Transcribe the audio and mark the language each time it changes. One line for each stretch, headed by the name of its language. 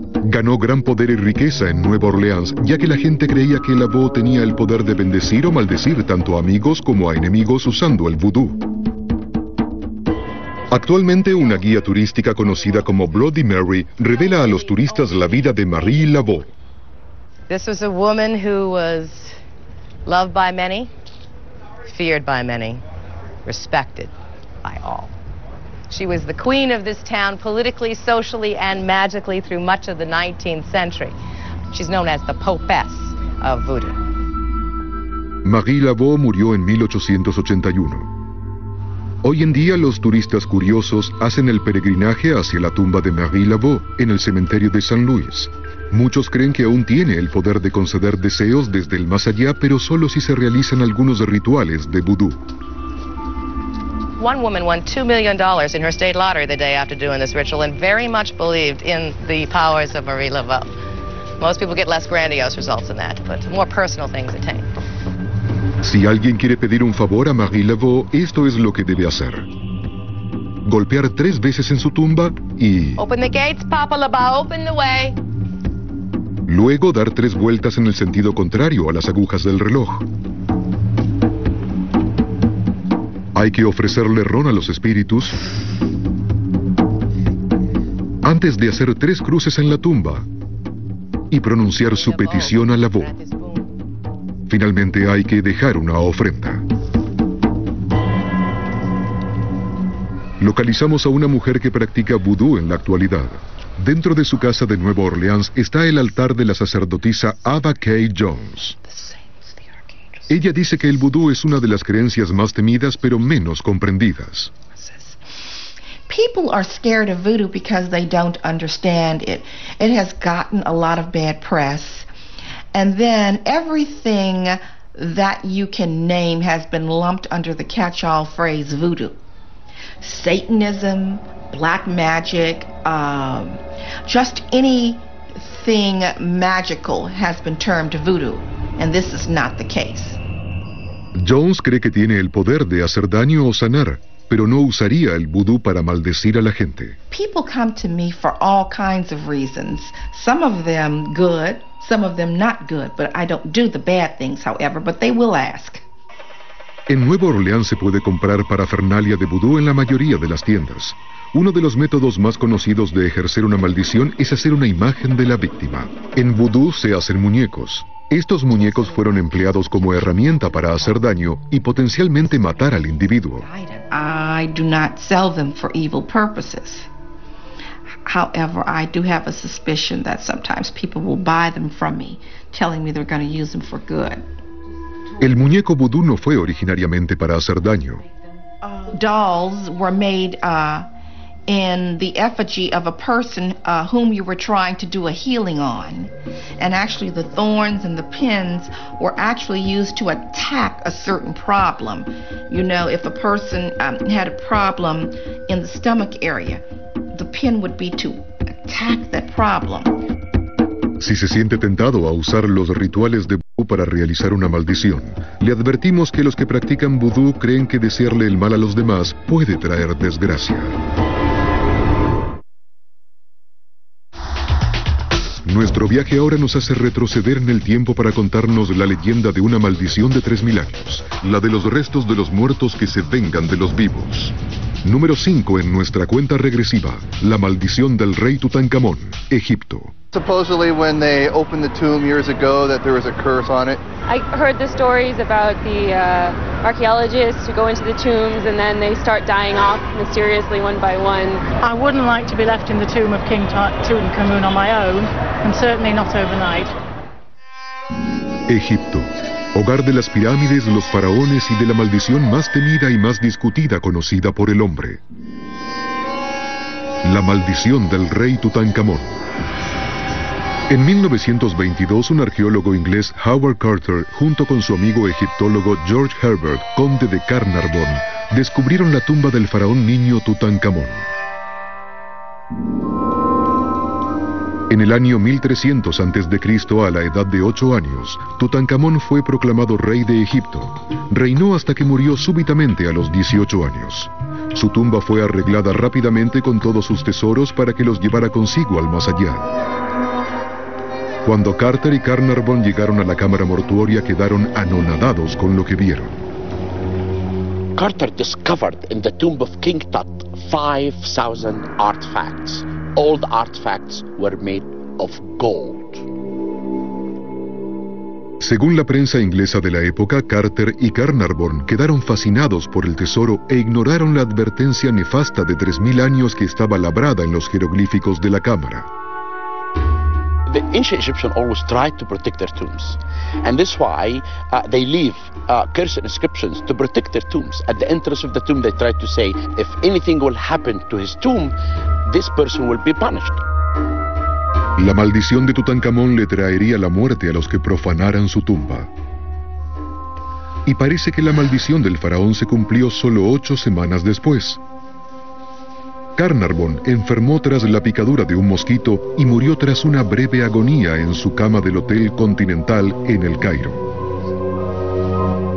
Spanish: ganó gran poder y riqueza en Nueva Orleans, ya que la gente creía que Lavo tenía el poder de bendecir o maldecir tanto a amigos como a enemigos usando el vudú. Actualmente, una guía turística conocida como Bloody Mary revela a los turistas la vida de Marie Lavo.
English: This was a woman who was loved by many, feared by many, respected by all. She was the queen of this town politically, socially, and magically through much of the 19th century. She's known as the Popess of Voodoo.
Spanish: Marie Lavo murió en 1881. Hoy en día, los turistas curiosos hacen el peregrinaje hacia la tumba de Marie Lavo en el cementerio de San Luis. Muchos creen que aún tiene el poder de conceder deseos desde el más allá, pero solo si se realizan algunos rituales de vudú.
English: One woman won $2 million in her state lottery the day after doing this ritual and very much believed in the powers of Marie Lavo. Most people get less grandiose results than that, but more personal things attain.
Spanish: Si alguien quiere pedir un favor a Marie Lavo, esto es lo que debe hacer. Golpear tres veces en su tumba y...
English: Open the gates, Papa Lavo, open the way.
Spanish: Luego dar tres vueltas en el sentido contrario a las agujas del reloj. Hay que ofrecerle ron a los espíritus antes de hacer tres cruces en la tumba y pronunciar su petición a Lavo. Finalmente hay que dejar una ofrenda. Localizamos a una mujer que practica vudú en la actualidad. Dentro de su casa de Nueva Orleans está el altar de la sacerdotisa Ava K. Jones. Ella dice que el vudú es una de las creencias más temidas pero menos comprendidas.
English: People are scared of voodoo because they don't understand it. It has gotten a lot of bad press. And then everything that you can name has been lumped under the catch-all phrase voodoo. Satanism, black magic, just anything magical has been termed voodoo, and this is not the case.
Spanish: Jones cree que tiene el poder de hacer daño o sanar, pero no usaría el vudú para maldecir a la gente.
English: People come to me for all kinds of reasons, some of them good, some of them not good, but I don't do the bad things, however, but they will ask.
Spanish: En Nueva Orleans se puede comprar parafernalia de vudú en la mayoría de las tiendas. Uno de los métodos más conocidos de ejercer una maldición es hacer una imagen de la víctima. En vudú se hacen muñecos. Estos muñecos fueron empleados como herramienta para hacer daño y potencialmente matar al individuo.
English: I do not sell them for evil purposes. However, I do have a suspicion that sometimes people will buy them from me, telling me they're going to use them for good.
Spanish: El muñeco vudú no fue originariamente para hacer daño.
English: Dolls were made in the effigy of a person whom you were trying to do a healing on. And actually the thorns and the pins were actually used to attack a certain problem. You know, if a person had a problem in the stomach area, the pin would be to attack that problem.
Spanish: Si se siente tentado a usar los rituales de vudú para realizar una maldición, le advertimos que los que practican vudú creen que desearle el mal a los demás puede traer desgracia. Nuestro viaje ahora nos hace retroceder en el tiempo para contarnos la leyenda de una maldición de 3.000 años, la de los restos de los muertos que se vengan de los vivos. Número 5 en nuestra cuenta regresiva, la maldición del rey Tutankamón, Egipto.
English: Supposedly when they opened the tomb years ago that there was a curse on it. I heard the stories about the archaeologists who go into the tombs and then they start dying off mysteriously one by one. I wouldn't like to be left in the tomb of King Tutankhamun on my own, and certainly not overnight.
Spanish: Egipto, hogar de las pirámides, los faraones y de la maldición más temida y más discutida conocida por el hombre. La maldición del rey Tutankamón. En 1922, un arqueólogo inglés, Howard Carter, junto con su amigo egiptólogo George Herbert, conde de Carnarvon, descubrieron la tumba del faraón niño Tutankamón. En el año 1300 a.C., a la edad de 8 años, Tutankamón fue proclamado rey de Egipto. Reinó hasta que murió súbitamente a los 18 años. Su tumba fue arreglada rápidamente con todos sus tesoros para que los llevara consigo al más allá. Cuando Carter y Carnarvon llegaron a la cámara mortuoria, quedaron anonadados con lo que vieron.
English: Carter discovered in the tomb of King Tut 5,000 artifacts. All the artifacts were made of gold.
Spanish: Según la prensa inglesa de la época, Carter y Carnarvon quedaron fascinados por el tesoro e ignoraron la advertencia nefasta de 3,000 años que estaba labrada en los jeroglíficos de la cámara.
English: The ancient Egyptians always tried to protect their tombs, and this is why they leave cursed inscriptions to protect their tombs. At the entrance of the tomb, they try to say, if anything will happen to his tomb, this person will be punished.
Spanish: La maldición de Tutankamón le traería la muerte a los que profanaran su tumba. Y parece que la maldición del faraón se cumplió solo 8 semanas después. Carnarvon enfermó tras la picadura de un mosquito y murió tras una breve agonía en su cama del Hotel Continental en El Cairo.